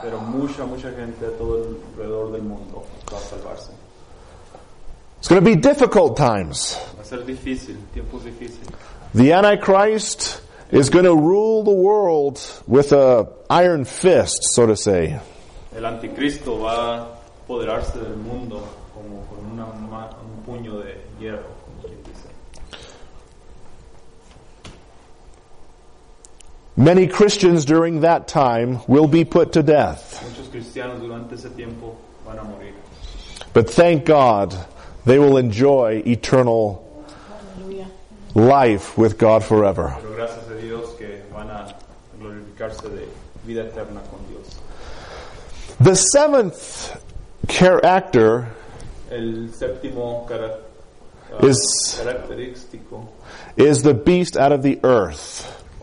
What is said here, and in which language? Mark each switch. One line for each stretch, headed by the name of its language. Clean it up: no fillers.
Spanish: Pero mucha, mucha gente todo alrededor del mundo va a salvarse.
English: It's going to be difficult times.
Spanish: Va a ser difícil, tiempos difíciles.
English: The Antichrist is going to rule the world with an iron fist, so to say.
Spanish: El anticristo va a apoderarse del mundo como con un puño de hierro.
English: Many Christians during that time will be put to death.
Spanish: Muchos cristianos durante ese tiempo van a morir.
English: But thank God, they will enjoy eternal life with God forever.
Spanish: Pero gracias a Dios que van a glorificarse de vida eterna con Dios.
English: The seventh character
Spanish: el séptimo característico
English: is the beast out of the earth.